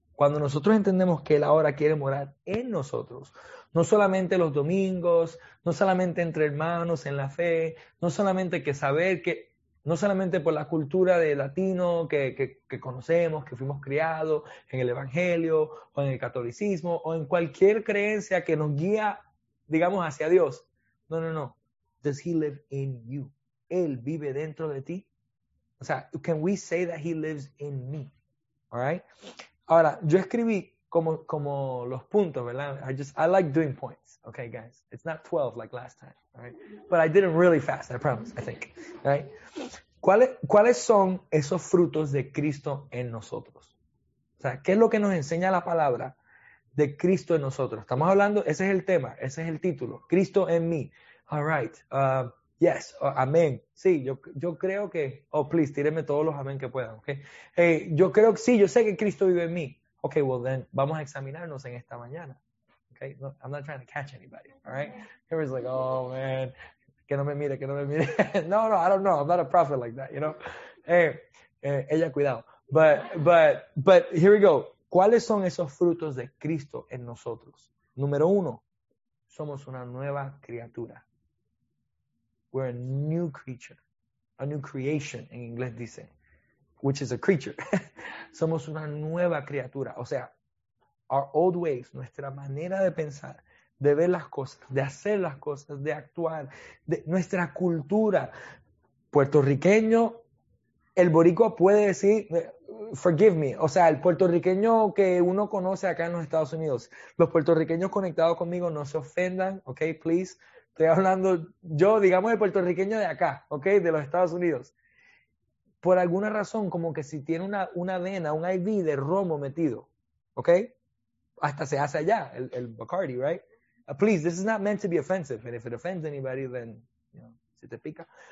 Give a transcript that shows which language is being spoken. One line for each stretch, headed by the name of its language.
Spanish: Cuando nosotros entendemos que Él ahora quiere morar en nosotros, no solamente los domingos, no solamente entre hermanos en la fe, no solamente que saber que... No solamente por la cultura de latino que conocemos, que fuimos criados en el evangelio o en el catolicismo o en cualquier creencia que nos guía, digamos, hacia Dios. No, no, no.
English: Does he live in you?
Spanish: ¿Él vive dentro de ti? O sea,
English: can we say that he lives in me? All right?
Spanish: Ahora, yo escribí como los puntos, ¿verdad?
English: I like doing points, okay, guys? It's not 12 like last time, right? But I did it really fast, I promise, I think, right?
Spanish: ¿Cuáles son esos frutos de Cristo en nosotros? O sea, ¿qué es lo que nos enseña la palabra de Cristo en nosotros? Estamos hablando, ese es el tema, ese es el título, Cristo en mí.
English: All right, yes,
Spanish: amén. Sí, yo creo que, oh, please, tírenme todos los amén que puedan, okay? Yo creo que sí, yo sé que Cristo vive en mí.
English: Okay, well then,
Spanish: vamos a examinarnos en esta mañana.
English: Okay, no, I'm not trying to catch anybody. All right, everybody's like, oh man,
Spanish: que no me mire, que no me mire.
English: No, no, I don't know. I'm not a prophet like that, you know.
Spanish: Ella cuidado.
English: But here we go.
Spanish: ¿Cuáles son esos frutos de Cristo en nosotros? Número uno, somos una nueva criatura.
English: We're a new creature, a new creation.
Spanish: En inglés dice.
English: Which is a creature.
Spanish: Somos una nueva criatura. O sea,
English: our old ways,
Spanish: nuestra manera de pensar, de ver las cosas, de hacer las cosas, de actuar, de nuestra cultura. Puertorriqueño, el boricua puede decir,
English: forgive me.
Spanish: O sea, el puertorriqueño que uno conoce acá en los Estados Unidos, los puertorriqueños conectados conmigo, no se ofendan, ok, please. Estoy hablando yo, digamos, el puertorriqueño de acá, ok, de los Estados Unidos. Por alguna razón, como que si tiene una vena, un ID de romo metido, ¿ok? Hasta se hace allá, el Bacardi, right?
English: Please, this is not meant to be offensive, and if it offends anybody, then, you know,
Spanish: si te pica.